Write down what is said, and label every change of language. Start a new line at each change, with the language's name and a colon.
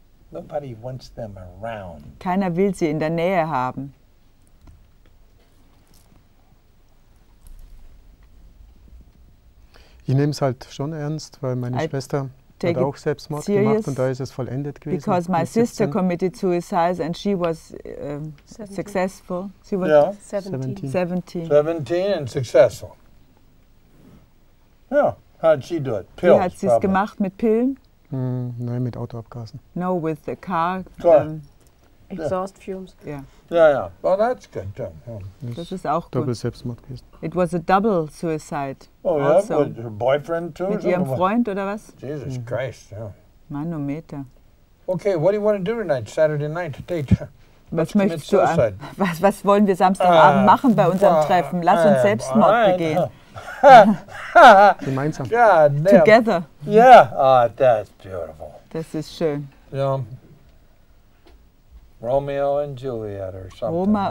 English: Nobody wants them around.
German: Keiner will sie in der Nähe haben. Ich nehme es halt schon ernst, weil meine Schwester... Hat auch Selbstmord gemacht und da ist es vollendet gewesen.
English: Because my sister committed suicide and she was 17. Successful. She was 17 and successful. Yeah, how did she do it? Pills.
German: Wie hat sie es gemacht mit Pillen? Nein, mit Autoabgasen.
English: No, with the car. Exhaust fumes. Yeah. Well, that's good.
German: Das ist auch gut. Double Selbstmord gewesen.
English: It was a double suicide. Oh,
German: also.
English: Yeah? With her boyfriend, too?
German: Mit ihrem Freund, oder was?
English: Jesus Christ, yeah.
German: Manometer.
English: Okay, what do you want to do tonight, Saturday night, date?
German: Was möchtest du an? Was wollen wir Samstagabend machen bei unserem Treffen? Lass uns Selbstmord begehen. Gemeinsam.
English: God, Together. Yeah, oh, that's beautiful.
German: Das ist schön.
English: Ja. Romeo and Juliet or something.